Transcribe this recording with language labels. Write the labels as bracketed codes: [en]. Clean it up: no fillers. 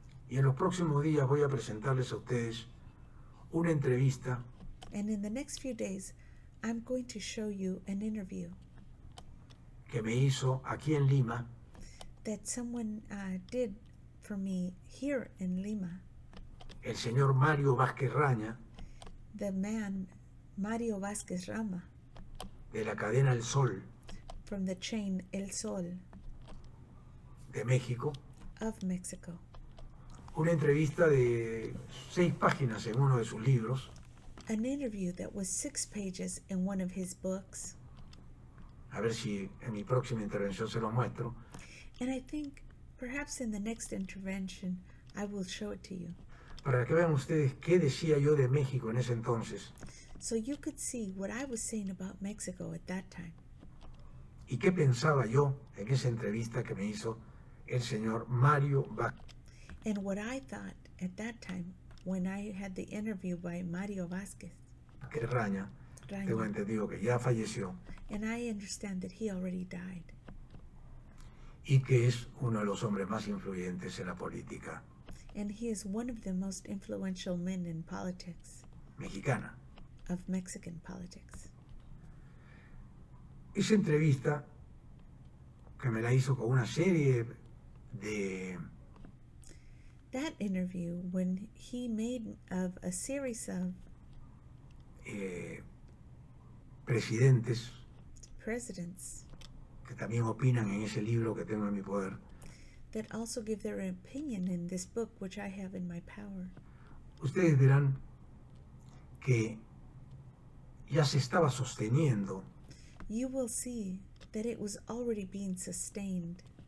[es] Y en los próximos días voy a presentarles a ustedes una entrevista. [en] And in the next few days, I'm going to show you an interview [es] que me hizo aquí en Lima [en] that someone did for me here in Lima. [es] El señor Mario Vázquez Raña, [en] the man Mario Vázquez Rama, [es] de la cadena El Sol, [en] from the chain El Sol, [es] de México, [en] of Mexico. [es] Una entrevista de 6 páginas en uno de sus libros. [en] An interview that was 6 pages in one of his books. [es] A ver si en mi próxima intervención se lo muestro. [en] And I think perhaps in the next intervention I will show it to you. [es] Para que vean ustedes qué decía yo de México en ese entonces. [en] So you could see what I was saying about Mexico at that time. [es] Y qué pensaba yo en esa entrevista que me hizo el señor Mario Vázquez. [en] And what I thought at that time when I had the interview by Mario Vázquez. [es] Que Raña, Raña. Tengo entendido que ya falleció. [en] And I understand that he already died. [es] Y que es uno de los hombres más influyentes en la política. [en] And he is one of the most influential men in politics. [es] Mexicana. [en] Of Mexican politics. [es] Esa entrevista que me la hizo con una serie de [en] that interview when he made of a series of [es] presidentes, [en] presidents [es] que también opinan en ese libro que tengo en mi poder, [en] that also give their opinion in this book which I have in my power. [es] Ustedes verán que ya se estaba sosteniendo. [en] You will see that it was already being sustained.